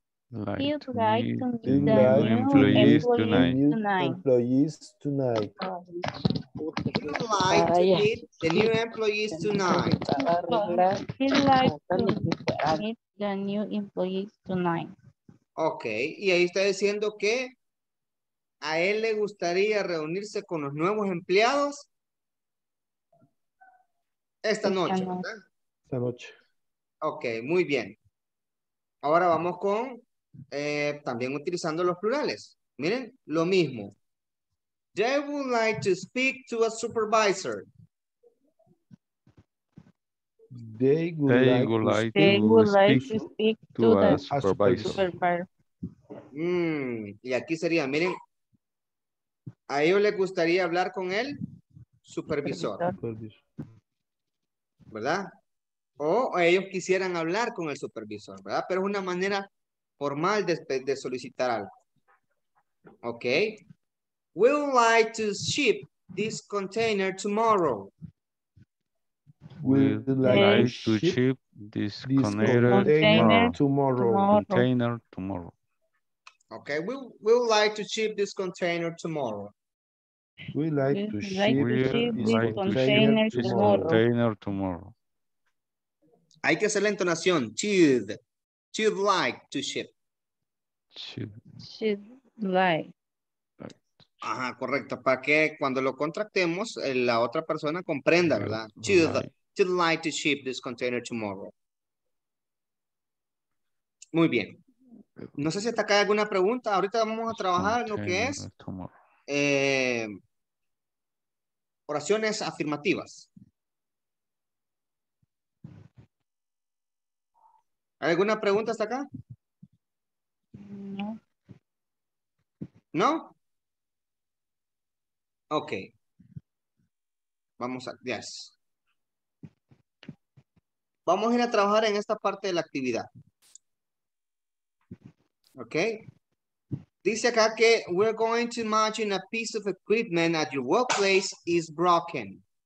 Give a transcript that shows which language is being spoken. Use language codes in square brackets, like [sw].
[en] Like he'd like to meet the new employees tonight. He'd like to meet the new employees tonight. He'd like to meet the new employees tonight. [es] Okay, y ahí está diciendo que a él le gustaría reunirse con los nuevos empleados. Esta noche, ¿verdad? Esta noche. Ok, muy bien. Ahora vamos con, también utilizando los plurales. Miren, lo mismo. [en] They would like to speak to a supervisor. They would, they like, would like to, they speak, would like to speak to a supervisor. Supervisor. [es] Mm, y aquí sería, miren, a ellos les gustaría hablar con el supervisor. ¿Verdad? O ellos quisieran hablar con el supervisor, ¿verdad? Pero es una manera formal de solicitar algo. [en] ¿Ok? We'll like to ship this container tomorrow. We'll like to ship this container tomorrow. Container tomorrow. Ok, we'll like to ship this container tomorrow. We like to ship this container tomorrow. [es] Hay que hacer la entonación. [en] She'd, she'd like to ship. She'd like. [es] Ajá, correcto. Para que cuando lo contractemos, la otra persona comprenda, ¿verdad? [en] She'd, she'd like to ship this container tomorrow. [es] Muy bien. No sé si está acá alguna pregunta. Ahorita vamos a trabajar en lo que es oraciones afirmativas. ¿Alguna pregunta hasta acá? No. ¿No? Ok. Vamos a, yes. Vamos a ir a trabajar en esta parte de la actividad. Ok. Dice acá que [en] we're going to imagine a piece of equipment at your workplace is broken.